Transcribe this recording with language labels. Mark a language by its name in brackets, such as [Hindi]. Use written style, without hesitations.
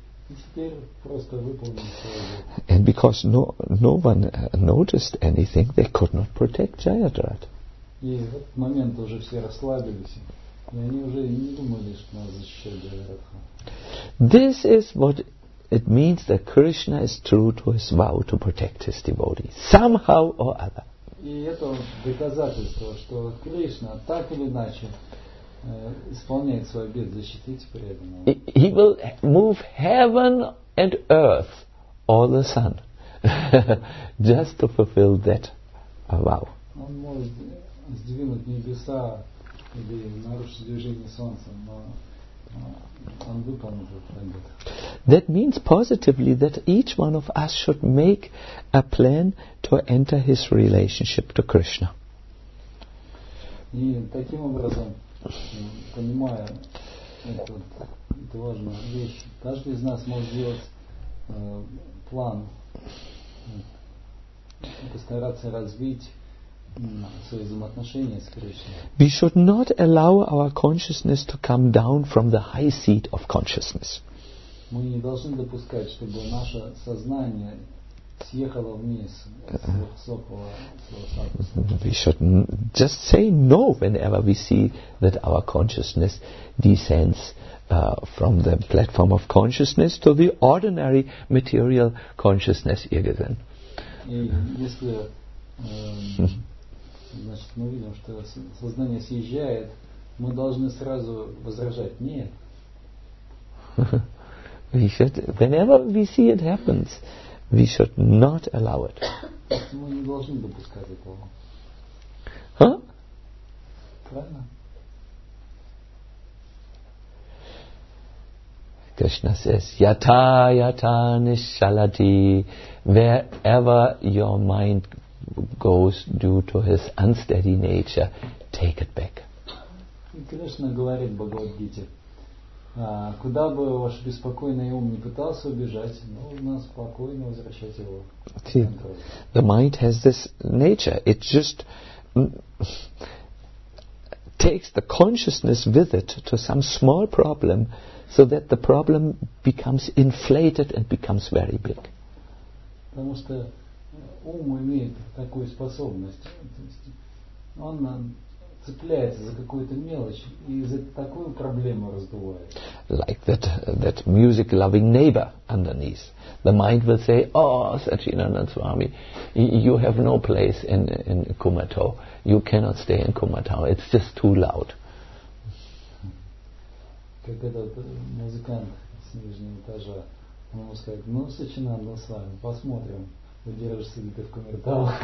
[Russian] И теперь просто выполни свой обет. [English] And because no one noticed anything, they could not protect Jayadrath. [Russian] И в этот момент уже все расслабились, и они уже не думали, что надо защищать Jayadrath. [English] This is what it means, that Krishna is true to his vow to protect his devotees, somehow or other. [Russian] И это доказательство, что Кришна так или иначе исполняет свой обет защитить преданного. [English] He will move heaven and earth, or the sun, just to fulfill that vow. [Russian] Он может сдвинуть небеса или нарушить движение солнца, но он выполнит этот обет. [English] That means positively that each one of us should make a plan to enter his relationship to Krishna. [Russian] И таким образом, понимая эту важную вещь, каждый из нас может сделать план постараться развить свои взаимоотношения с Кришной. [English] We should not allow our consciousness to come down from the high seat of consciousness. [Russian] Мы не должны допускать, чтобы наше сознание съехало вниз с высокого статуса. [English] We should just say no whenever we see that our consciousness descends from the platform of consciousness to the ordinary material consciousness, [German] irgendwann. [Russian] Если значит, мы видим, что сознание съезжает, мы должны сразу возражать: нет. [English] We should, whenever we see it happens, we should not allow it. [Russian] Мы не должны допускать этого. Huh? Правильно? [English] Krishna says, [Sanskrit] yata yata nishalati, [English] wherever your mind goes due to his unsteady nature, take it back. [Russian] Krishna говорит Бхагавад-гите, куда бы ваш беспокойный ум не пытался убежать, нужно спокойно возвращать его. [English] The mind has this nature. It just takes the consciousness with it to some small problem, so that the problem becomes inflated and becomes very big. [Russian] Потому что ум имеет такую способность. То есть он цепляется за какую-то мелочь и за такую проблему раздувает. [English] Like that music-loving neighbor underneath. The mind will say, oh, Satchinanand Swami, you have no place in Kumatow. You cannot stay in Kumatow. It's just too loud. [Russian] Как этот музыкант с нижнего этажа, он ему скажет: ну, Сачинанда с вами, посмотрим, удержишься ли ты в Кумертау.